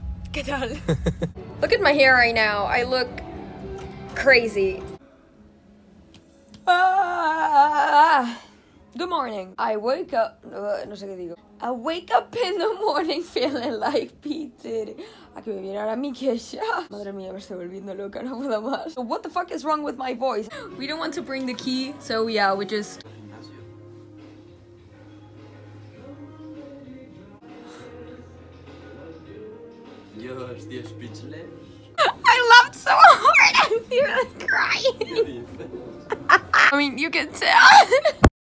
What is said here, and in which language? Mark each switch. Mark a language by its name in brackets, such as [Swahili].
[Spanish] ¿Qué tal? [English] Look at my hair right now. I look crazy. Good morning. I wake up. [Spanish] No sé qué digo. [English] I wake up in the morning feeling like P. [Spanish] Diddy. A que me viene ahora mi queja. Madre mía, me estoy volviendo loca, no puedo más. [English] What the fuck is wrong with my voice? We don't want to bring the key, so yeah, we just. [Spanish] Yo estoy speechless. [English] I laughed so hard, I'm even crying. I mean, you can tell.